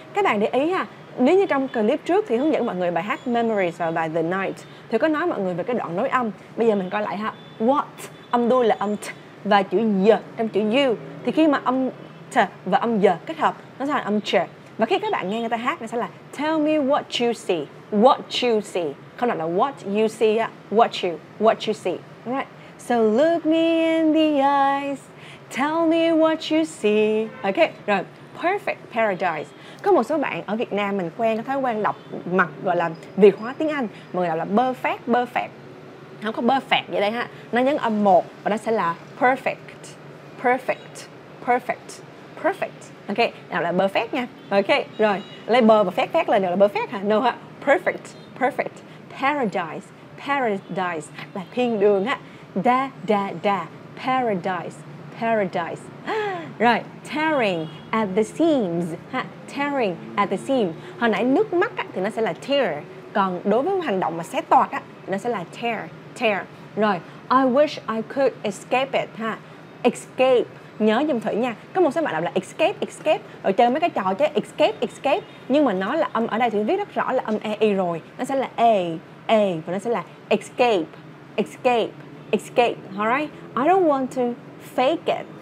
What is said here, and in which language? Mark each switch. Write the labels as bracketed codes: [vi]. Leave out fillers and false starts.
[vi] Các bạn để ý ha, nếu như trong clip trước thì hướng dẫn mọi người bài hát Memories và bài The Night thì có nói mọi người về cái đoạn nối âm. Bây giờ mình coi lại ha. What, âm đuôi là âm t và chữ y trong chữ you, thì khi mà âm t và âm y kết hợp nó sẽ là âm ch. Và khi các bạn nghe người ta hát, nó sẽ là [en] tell me what you see, what you see. [vi] Không phải là [en] what you see, what you see. Alright. So look me in the eyes, tell me what you see. Ok, rồi. Perfect paradise. [vi] Có một số bạn ở Việt Nam mình quen, có thói quen đọc mặt gọi là Việt hóa tiếng Anh. Mọi người đọc là perfect, perfect. Không có perfect vậy đây ha. Nó nhấn âm 1 và nó sẽ là perfect, perfect, perfect, perfect. Ok, nào là perfect nha. Ok, rồi. Lấy bơ và phét phét lên là perfect hả? No ha. [en] Perfect, perfect. Paradise, paradise [vi] là thiên đường á. [en] Da, da, da. Paradise, paradise. Rồi, tearing at the seams ha. Tearing at the seams. [vi] Hồi nãy nước mắt á, thì nó sẽ là tear. Còn đối với hành động mà xé toạc á, nó sẽ là tear, tear. [en] Rồi, I wish I could escape it ha. Escape. [vi] Nhớ dùm Thủy nha, có một số bạn đọc là escape, escape, rồi chơi mấy cái trò chơi escape, escape, nhưng mà nó là âm, ở đây Thủy viết rất rõ là âm e rồi, nó sẽ là a, a, và nó sẽ là escape, escape, escape, [en] alright, I don't want to fake it.